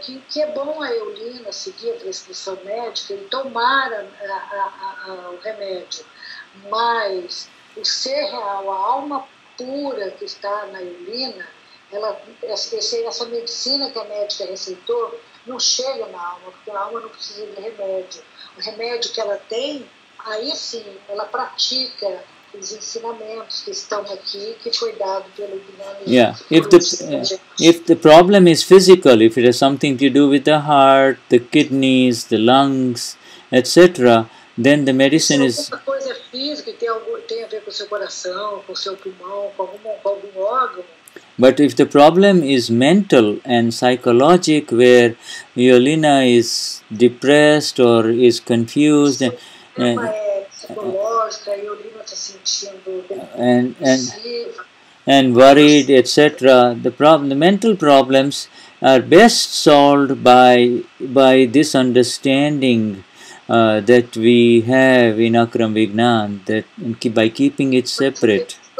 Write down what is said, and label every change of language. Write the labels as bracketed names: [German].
[Portuguese] Que é bom a Eulina seguir a prescrição médica e tomar o remédio, mas o ser real, a alma pura que está na Eulina, essa medicina que a médica receitou não chega na alma, porque a alma não precisa de remédio. O remédio que ela tem, aí sim, ela pratica os ensinamentos que estão aqui, que foi dado pelo Gnani. [English] Yeah, if the problem is physical, if it has something to do with the heart, the kidneys, the lungs, etc., then the medicine is... [Portuguese] Se alguma coisa física tem a ver com o seu coração, com o seu pulmão, com algum órgão... [English] But if the problem is mental and psychologic, where Yolina is depressed or is confused, and worried, etc., the mental problems are best solved by this understanding that we have in Akram Vignan, that by keeping it separate.